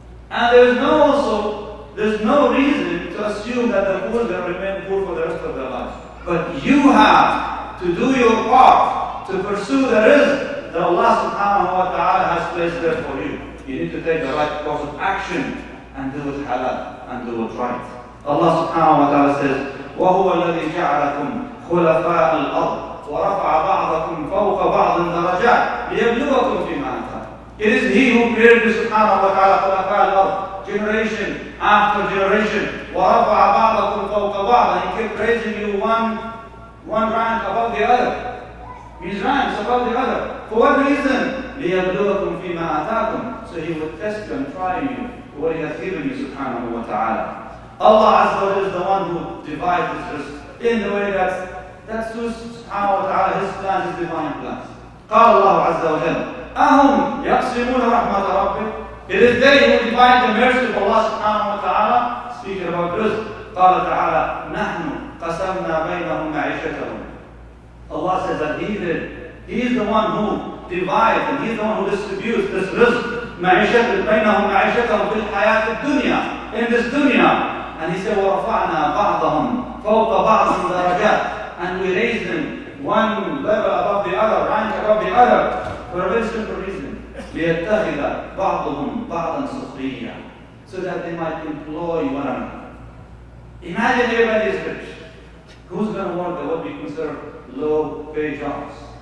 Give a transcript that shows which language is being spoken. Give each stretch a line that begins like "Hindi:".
English: And there's no reason to assume that the poor will remain poor for the rest of their lives. But you have to do your part to pursue the rizq that Allah subhanahu wa ta'ala has placed there for you. You need to take the right course of action and do it halal and do it right. Allah subhanahu wa ta'ala says,
Arabic: وَهُوَ الَّذِي جَعَلَكُمْ خُلَفَاءَ الْأَرْضِ وَرَفَعَ بَعْضَكُمْ فَوْقَ بَعْضٍ دَرَجَاتٍ لِيَبْلُوَكُمْ فِي مَا آتَاكُمْ.
English: It is He who created the subhanahu wa ta'ala
Arabic: خُلَفَاءَ الْأَرْضِ,
English: generation after generation.
Arabic: وَرَفَعَ بَعْضَكُمْ فَوْقَ بَعْضٍ.
English: He kept raising you one rank above the other. His ranks above the other. For what reason?
Arabic: لِيَبْلُوَكُمْ فِي مَا آتَاكُمْ.
English: So He will test you and try you what He has given you subhanahu wa ta'ala. Allah Azza wa Jalla is the one who divides us in the way that's who subhanahu wa ta'ala, His plan is divine plan.
Arabic: قال الله عز وجل أهم يقسمون رحمة ربك.
English: It is they who divide the mercy of Allah subhanahu wa ta'ala. Speaking about this,
Arabic: قال تعالى نحن قسمنا بينهم معيشتهم.
English: Allah says that He is the one who divides and He is the one who distributes this rizq.
Arabic: معيشت بينهم معيشتهم في الحياة الدنيا.
English: In this dunya. And He said,
Arabic: ورفعنا بعضهم فوق بعض درجات.
English: And we raised them one level above the other, rank above the other, for a very simple reason.
Arabic: ليتخذ بعضهم بعضا سخريا.
English: So that they might employ one another. Imagine everybody is rich. Who's going to work the what we consider low pay jobs?